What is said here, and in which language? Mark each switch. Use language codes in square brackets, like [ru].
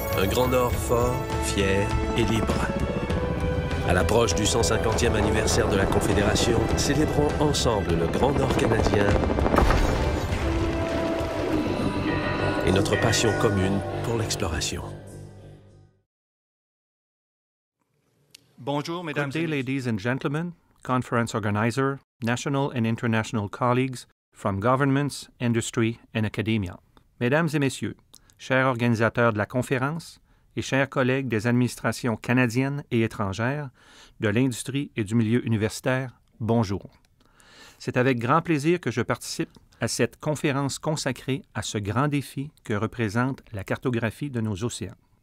[fr] Un Grand Nord fort, fier et libre. À l'approche du 150e anniversaire de la Confédération, célébrons ensemble le Grand Nord canadien et notre passion commune pour l'exploration. Bonjour, mesdames et messieurs. [en] Good day, ladies and gentlemen, conference organizer, national and international colleagues from governments, industry and academia. [fr] Mesdames et messieurs, chers organisateurs de la conférence et chers collègues des administrations canadiennes et étrangères, de l'industrie et du milieu universitaire, bonjour. C'est avec grand plaisir que je participe à cette conférence consacrée à ce grand défi que représente la cartographie de nos océans.